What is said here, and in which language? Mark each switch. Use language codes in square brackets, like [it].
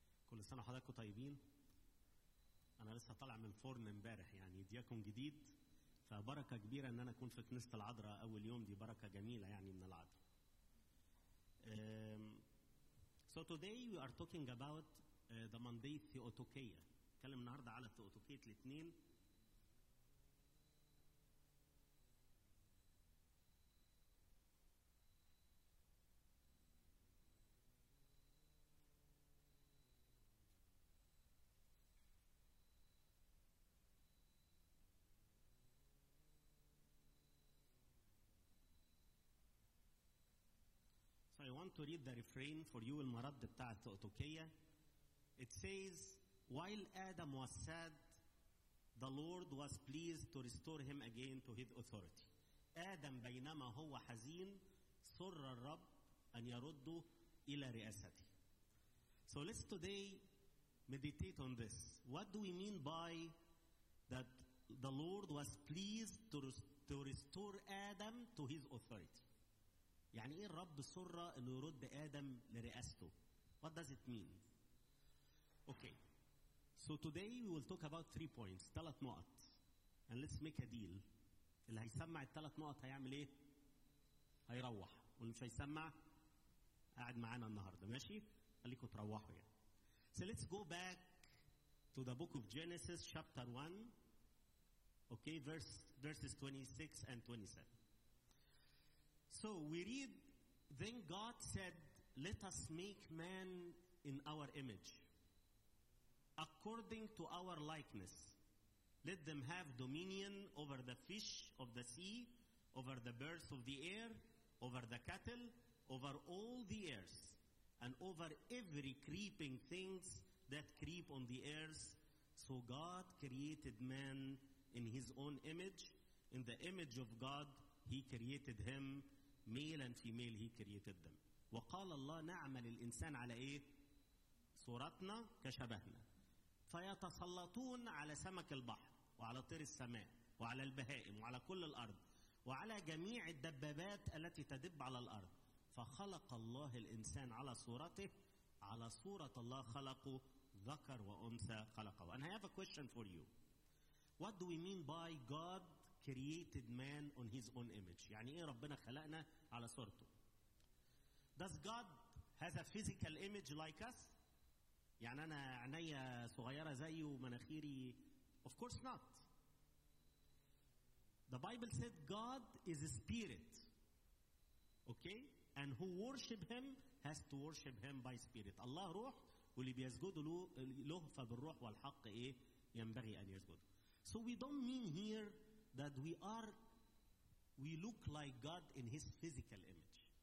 [ar] كل سنه حضراتكم طيبين. انا لسه طالع من فرن امبارح، يعني دياكون جديد، فبركة كبيرة ان انا اكون في كنيسة العذراء اول يوم، دي بركة جميلة يعني من العذراء. [en] So today we are talking about the Monday Theotokia. [ar] نتكلم النهاردة على ثيوتوكية الاثنين. [en] I want to read the refrain for you, [ar] المرد بتاع التوتوكية. [en] It says, while Adam was sad, the Lord was pleased to restore him again to his authority. [ar] آدم بينما هو حزين سر الرب أن يرده إلى رئاسته. [en] So let's today meditate on this. What do we mean by that the Lord was pleased to restore Adam to his authority? [ar] يعني ايه الرب سر انه يرد ادم لرئاسته؟ [en] What does it mean? Okay. So today we will talk about three points، [ar] ثلاث نقط. [en] And let's make a deal. [ar] اللي هيسمع الثلاث نقط هيعمل ايه؟ هيروح، واللي مش هيسمع قاعد معانا النهارده، ماشي؟ خليكم تروحوا يعني. [en] So let's go back to the book of Genesis chapter 1. Okay, verses 26 and 27. So we read, then God said, let us make man in our image, according to our likeness. Let them have dominion over the fish of the sea, over the birds of the air, over the cattle, over all the earth, and over every creeping things that creep on the earth. So God created man in his own image. In the image of God, he created him. Male and female he created them. [ar] وقال الله نعمل الإنسان على إيه؟ صورتنا كشبهنا. فيتسلطون على سمك البحر وعلى طير السماء وعلى البهائم وعلى كل الأرض وعلى جميع الدبابات التي تدب على الأرض. فخلق الله الإنسان على صورته، على صورة الله خلقه، ذكر وأنثى خلقه. [en] And I have a question for you. What do we mean by God created man on his own image? [ar] يعني ايه ربنا خلقنا على صورته؟ [en] Does God has a physical image like us? [ar] يعني انا عينيا صغيره زيه ومناخيري؟ [en] Of course not. The Bible said God is a spirit. Okay? And who worship him has to worship him by spirit. [ar] الله روح، واللي بيسجد له فبالروح والحق ايه ينبغي ان يسجد. [en] So we don't mean here that we look like God in his physical image.